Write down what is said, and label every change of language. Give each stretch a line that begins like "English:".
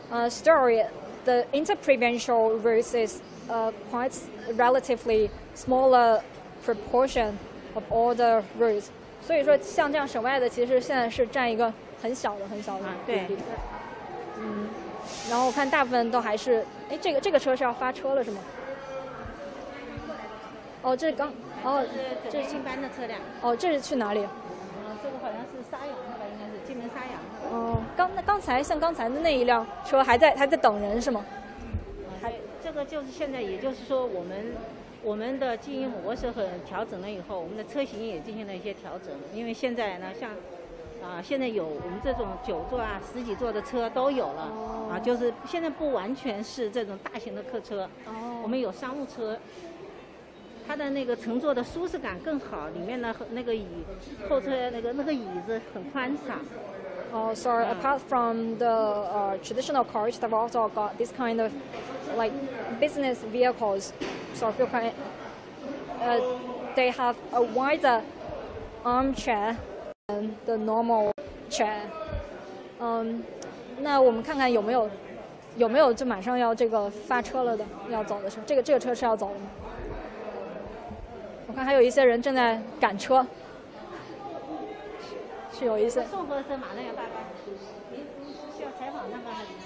English: Story, the inter-provincial routes is quite relatively smaller proportion of all the routes.
Chinese: 所以说像这样省外的其实现在是占一个很小的很小的比例。对。嗯，然后我看大部分都还是，哎，这个车是要发车了是吗？哦，这是刚，哦，这是新搬的车辆。哦，这是去哪里？沙洋那吧，应该是金门沙洋。哦，刚才的那一辆车还在等人是吗？这个就是现在，也就是说我们的经营模式和调整了以后，我们的车型也进行了一些调整。因为现在呢，像现在有我们这种九座啊、十几座的车都有了。哦。就是现在不完全是这种大型的客车。哦。我们有商务车。它的那个乘坐的舒适感更好，里面的那个椅后车那个椅子很宽敞。
English: Apart from the traditional cars, they've also got this kind of like business vehicles. So if you can, they have a wider armchair than the normal chair.
Chinese: 那我们看看有没有就马上要这个发车了的，要走的车，这个车是要走的吗？我看还有一些人正在赶车，是有一些送货的车马上要到了，您需要采访他们还是？